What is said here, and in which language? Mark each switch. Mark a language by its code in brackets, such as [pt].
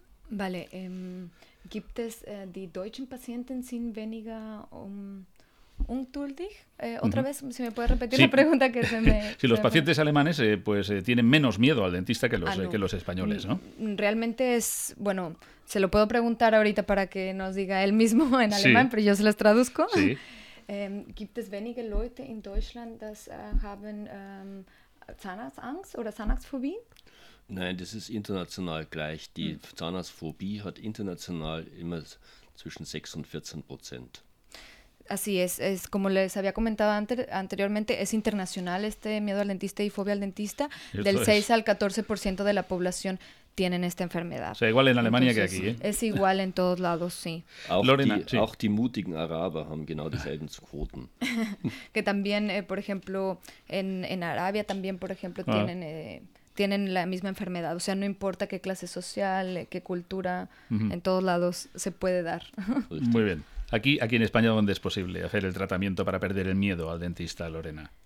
[es] Vale. [de] ¿Gibt es die deutschen Patienten sin weniger ungeduldig? [es] Otra vez, si me puedes repetir, sí, la pregunta que se me... Si los pacientes alemanes tienen menos miedo al dentista que los, que los españoles, ¿no? Realmente es... Bueno, se lo puedo preguntar ahorita para que nos diga él mismo en alemán, sí, pero yo se los traduzco. Sí. [de] ¿Gibt es wenige Leute in Deutschland, das haben Zahnarztangst oder Zahnarztphobie? Nein, das ist international gleich. Die Zahnarztphobie hat international immer zwischen 6-14%. [es] Así es como les había comentado anteriormente, es internacional este miedo al dentista y fobia al dentista. Eso del 6-14% de la población tienen esta enfermedad. O sea, igual en Alemania. Entonces, que aquí, ¿eh? Es igual en todos lados, sí. [de] Auch die mutigen Araber haben genau dieselben Quoten. [es] Que también, por ejemplo, en Arabia también, por ejemplo, tienen... tienen la misma enfermedad. O sea, no importa qué clase social, qué cultura, en todos lados se puede dar. Muy bien. Aquí en España, ¿dónde es posible hacer el tratamiento para perder el miedo al dentista, Lorena?